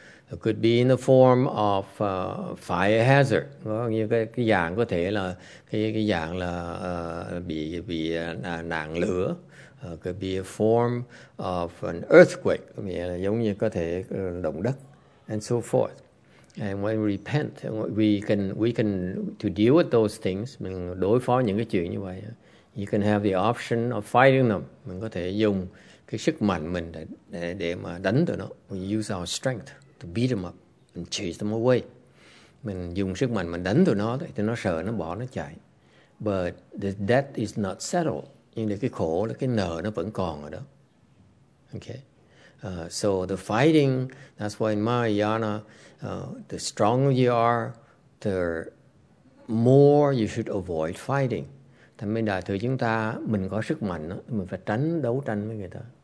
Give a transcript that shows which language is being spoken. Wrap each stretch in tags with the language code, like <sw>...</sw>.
<en>It could be in the form of fire hazard.</en> <vi>Có nghĩa cái dạng có thể là cái dạng là bị nạn lửa.</vi> <en>Could be a form of an earthquake.</en> <vi>Có nghĩa là giống như có thể động đất.</vi> <en>And so forth. And when we repent, we can to deal with those things,</en> <vi>mình đối phó những cái chuyện như vậy.</vi> <en>You can have the option of fighting them.</en> <vi>Mình có thể dùng cái sức mạnh mình để mà đánh tụi nó.</vi> <en>We use our strength to beat them up and chase them away.</en> <vi>Mình dùng sức mạnh mình đánh tụi nó thì nó sợ, nó bỏ, nó chạy.</vi> <en>But the debt is not settled.</en> <vi>Nhưng cái khổ, cái nợ nó vẫn còn ở đó.</vi> <en>Okay. So the fighting, that's why in Mahayana, the stronger you are, the more you should avoid fighting.</en> <vi>Thành bên đại thừa chúng ta, mình có sức mạnh, đó, mình phải tránh đấu tranh với người ta.</vi>